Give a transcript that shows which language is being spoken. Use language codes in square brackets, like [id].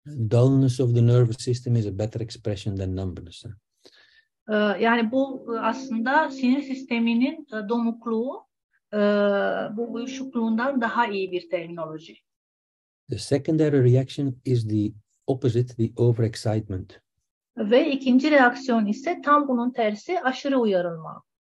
[en] Dullness of the nervous system is a better expression than numbness. [tr] Yani bu aslında sinir sisteminin donukluğu, bu uyuşukluğundan daha iyi bir terminoloji. [en] The secondary reaction is the opposite, the overexcitement. [tr] Ve ikinci reaksiyon ise tam bunun tersi, aşırı uyarılma.